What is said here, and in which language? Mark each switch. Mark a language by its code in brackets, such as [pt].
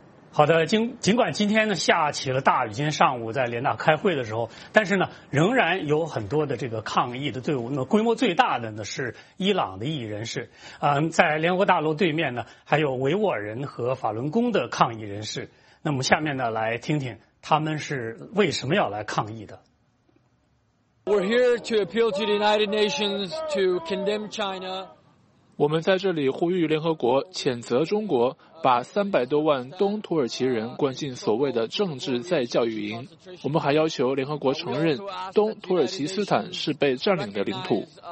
[zh] 好的，尽管今天呢下起了大雨，今天上午在联大开会的时候，但是呢仍然有很多的这个抗议的队伍。那么规模最大的呢是伊朗的异议人士，在联合国大楼对面呢还有维吾尔人和法轮功的抗议人士。那么下面呢来听听他们是为什么要来抗议的。 [en] We're here to appeal to the United Nations to condemn China。 [zh] 我们在这里呼吁联合国谴责中国把300多万东土耳其人关进所谓的政治再教育营。我们还要求联合国承认东土耳其斯坦是被占领的领土。